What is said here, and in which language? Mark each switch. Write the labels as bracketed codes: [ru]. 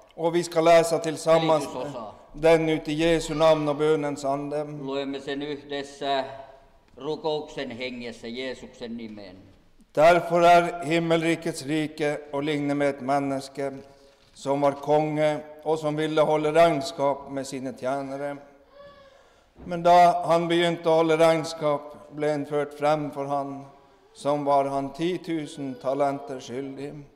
[sv] Och vi ska läsa tillsammans den ut i Jesu namn och bönens ande. [fi] Luemme sen yhdessä rukouksen hengessä Jeesuksen nimen. [sv] Därför är himmelrikets rike och likna med ett människa som var konge och som ville hålla regnskap med sina tjänare. Men då han begynte hålla regnskap blev han fört fram för han som var han 10 000 talenter skyldig.